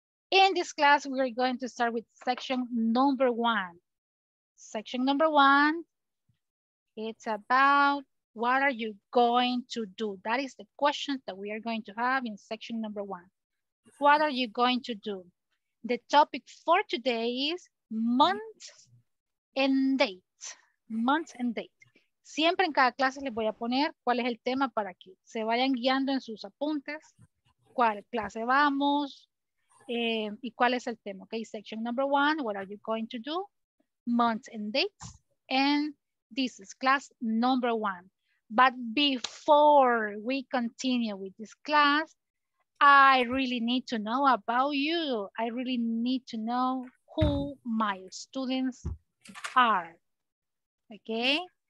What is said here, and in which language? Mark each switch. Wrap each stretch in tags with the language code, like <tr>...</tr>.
<en>In this class, we are going to start with section number 1. Section number 1, it's about What are you going to do? That is the question that we are going to have in section number one. What are you going to do? The topic for today is months and date. Months and date.</en> <es>Siempre en cada clase les voy a poner cuál es el tema para que se vayan guiando en sus apuntes, cuál clase vamos y cuál es el tema.</es> <en>Okay, section number one, what are you going to do? Months and dates. And this is class number one. But before we continue with this class, I really need to know about you. I really need to know who my students are. Okay?</en>